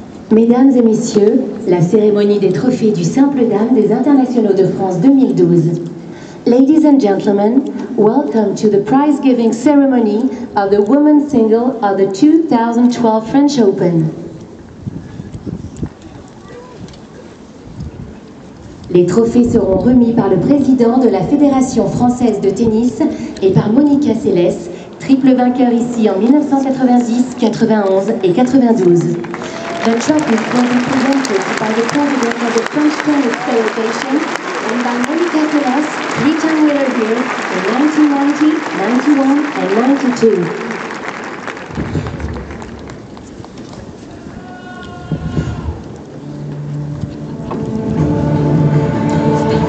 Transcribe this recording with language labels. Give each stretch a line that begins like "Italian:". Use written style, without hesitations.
French: Mesdames et messieurs, la cérémonie des trophées du simple dame des Internationaux de France 2012.
English: Ladies and gentlemen, welcome to the prize-giving ceremony of the women's single of the 2012 French Open.
French: Les trophées seront remis par le président de la Fédération française de tennis et par Monica Seles, triple vainqueur ici en 1990, 91 et 92.
English: The trophy is going to be presented by the president of the French Tennis Association and by Monica Seles, three-time winner here in 1990, 91, and 92.